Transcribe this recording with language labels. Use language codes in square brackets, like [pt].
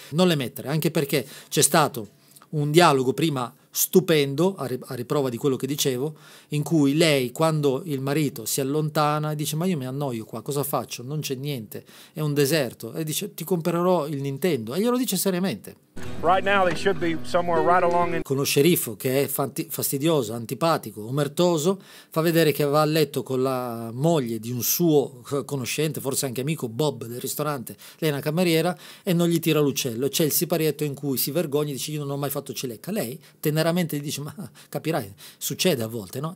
[it] Non le mettere, anche perché c'è stato un dialogo prima stupendo, a riprova di quello che dicevo, in cui lei, quando il marito si allontana, dice ma io mi annoio qua, cosa faccio? Non c'è niente, è un deserto. E dice ti comprerò il Nintendo, e glielo dice seriamente. [en] Right now they should be somewhere right along in... [it] Con lo sceriffo che è fastidioso, antipatico, omertoso, fa vedere che va a letto con la moglie di un suo conoscente, forse anche amico, Bob del ristorante, lei è una cameriera, e non gli tira l'uccello. C'è il siparietto in cui si vergogna e dice io non ho mai fatto cilecca. Lei teneramente gli dice ma capirai, succede a volte, no?